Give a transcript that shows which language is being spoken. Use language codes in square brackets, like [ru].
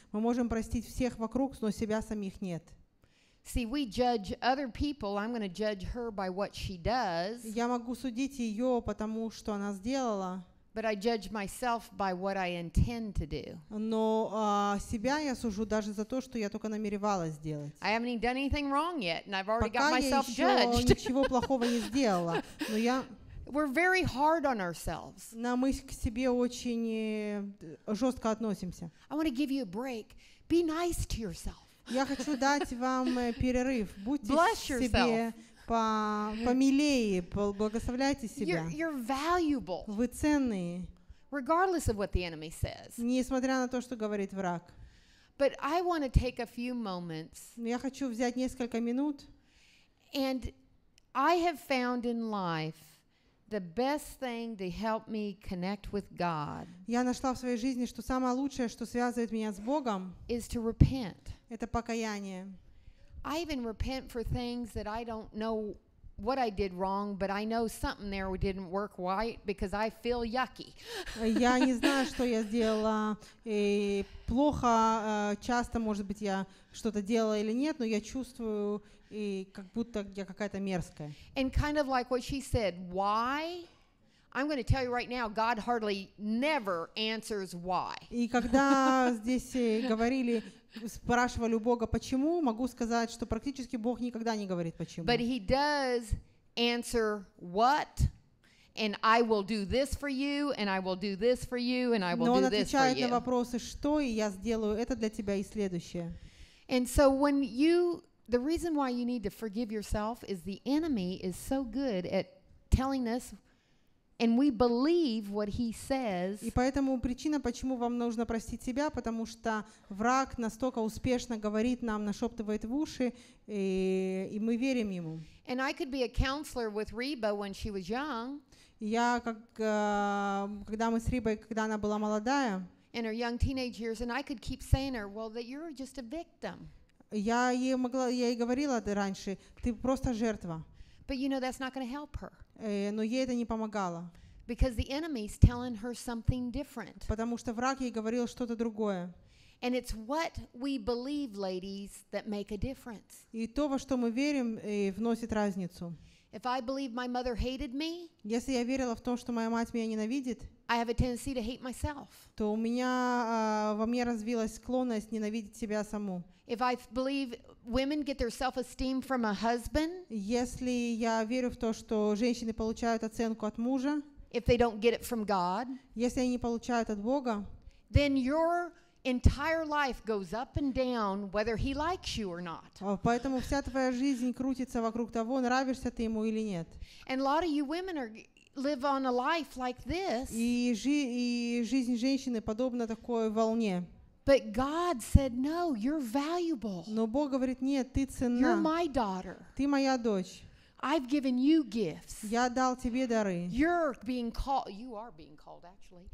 [ru] Мы можем простить всех вокруг, но себя самих нет. [en] See, we judge other people. I'm going to judge her by what she does. [ru] Я могу судить ее по тому, что она сделала. [en] But I judge myself by what I intend to do. [ru] Но себя я сужу даже за то, что я только намеревалась сделать. [en] I haven't done anything wrong yet, and I've already [ru] Пока [en] got myself judged. [ru] Пока я еще ничего плохого не сделала, но я [en] We're very hard on ourselves. [ru] Но мы к себе очень жестко относимся. [en] I want to give you a break. Be nice to yourself. [ru] Я хочу дать вам перерыв. Будьте [en] Bless [ru] себе [en] yourself. [ru] Помилее, благословляйте себя. [en] You're valuable. [ru] Вы ценные. [en] Regardless of what the enemy says. [ru] Несмотря на то, что говорит враг. [en] But I want to take a few moments. [ru] Я хочу взять несколько минут. [en] And I have found in life The best thing to help me connect with God. [ru] Я нашла в своей жизни, что самое лучшее, что связывает меня с Богом, [en] is to repent. [ru] Это покаяние. [en] I even repent for things that I don't know what I did wrong, but I know something there didn't work right because I feel yucky. [ru] Я не знаю, что я сделала плохо. Часто, может быть, я что-то делала или нет, но я чувствую, и как будто я какая-то мерзкая. [en] And kind of like what she said, why? I'm going to tell you right now, God hardly never answers why. [ru] И когда здесь говорили, спрашивали у Бога, почему, могу сказать, что практически Бог никогда не говорит почему. [en] But he does answer what? And I will do this for you, and I will do this for you, and I will do this for you. [ru] Но он отвечает на вопросы, что, и я сделаю это для тебя и следующее. [en] And so when you The reason why you need to forgive yourself is the enemy is so good at telling us, and we believe what he says. [ru] И поэтому причина, почему вам нужно простить себя, потому что враг настолько успешно говорит нам, нашептывает в уши, и мы верим ему. [en] And I could be a counselor with Reba when she was young. [ru] Я когда мы с Рибой, когда она была молодая. [en] In her young teenage years, and I could keep saying her, well, that you're just a victim. [ru] Я ей говорила раньше, ты просто жертва. [en] But you know that's not going to help her. [ru] Но ей это не помогало. [en] Because the enemy's telling her something different. [ru] Потому что враг ей говорил что-то другое. [en] And it's what we believe, ladies, that make a difference. [ru] И то, во что мы верим, вносит разницу. [en] If I believe my mother hated me, [ru] если я верила в то, что моя мать меня ненавидит, [en] I have a tendency to hate myself. [ru] То у меня во мне развилась склонность ненавидеть себя саму. [en] If I believe women get their self-esteem from a husband, если я верю в то, что женщины получают оценку от мужа, if they don't get it from God, если они не получают от Бога, then your entire life goes up and down, whether he likes you or not. [ru] Поэтому вся твоя жизнь крутится вокруг того, нравишься ты ему или нет. [en] And a lot of you women are live on a life like this. [ru] И жизнь женщины подобна такой волне. [en] But God said, "No, you're valuable." [ru] Но Бог говорит: "Нет, ты ценна." [en] You're my daughter. [ru] Ты моя дочь. [en] I've given you gifts. [ru] Я дал тебе дары. [en] You're being called. You are being called, actually.